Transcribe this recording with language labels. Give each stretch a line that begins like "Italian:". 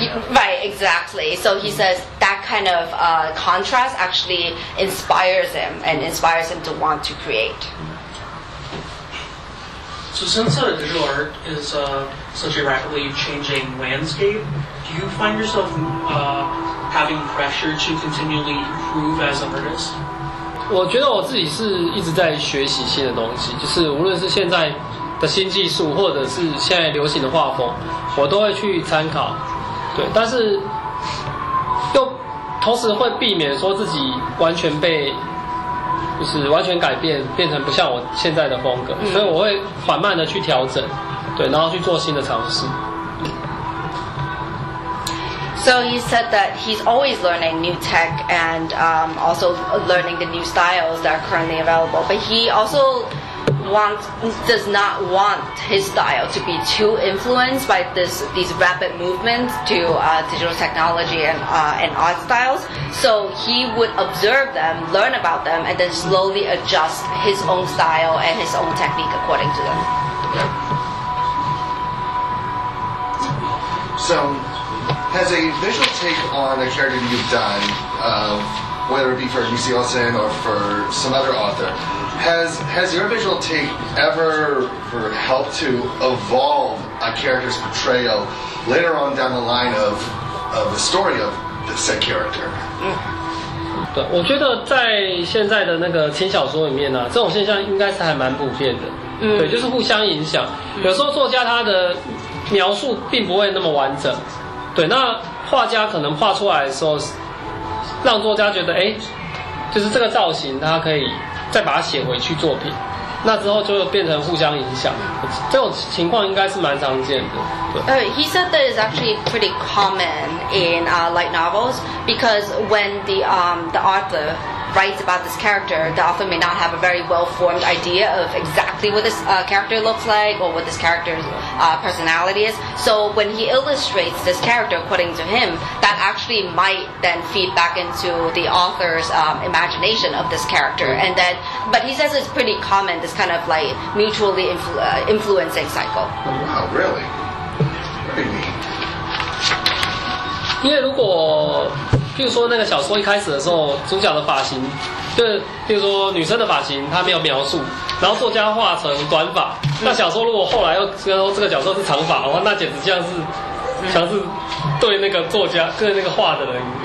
English: Right, exactly. So he says that kind of contrast actually inspires him and inspires him to want to create. So since digital art is such a rapidly changing landscape, do you find yourself having pressure to continually improve as an artist?
Chinese: 我觉得我自己是一直在学习新的东西，就是无论是现在的新技术或者是现在流行的画风我都会去参考，对，但是又同时会避免说自己完全被就是完全改变变成不像我现在的风格，所以我会缓慢的去调整，对，然后去做新的尝试。
English: So he said that he's always learning new tech and also learning the new styles that are currently available, but he also does not want his style to be too influenced by these rapid movements to digital technology and art styles. So he would observe them, learn about them, and then slowly adjust his own style and his own technique according to them. So... Has a visual take on a character that you've done, whether it be for Missy Olson or for some other author, has your visual take ever helped to evolve a character's portrayal later on down the line of the story of the said character?
Chinese: 对，我觉得在现在的那个轻小说里面呢、啊，这种现象应该是还蛮普遍的。对，就是互相影响。有时候作家他的描述并不会那么完整。对，那画家可能画出来的时候，让作家觉得，哎，就是这个造型，他可以再把它写回去作品，那之后就变成互相影响，这种情况应该是蛮常见的。
English: He said that is actually pretty common in light novels because when the author writes about this character, the author may not have a very well-formed idea of exactly what this character looks like or what this character's personality is. So when he illustrates this character according to him, that actually might then feed back into the author's imagination of this character. And then, but he says it's pretty common, this kind of like mutually influencing cycle. Wow, really? Very neat.
Chinese: 因为如果譬如说那个小说一开始的时候主角的发型就譬如说女生的发型她没有描述，然后作家画成短发，那小说如果后来又说这个角色是长发的话，那简直像是对那个作家对那个画的人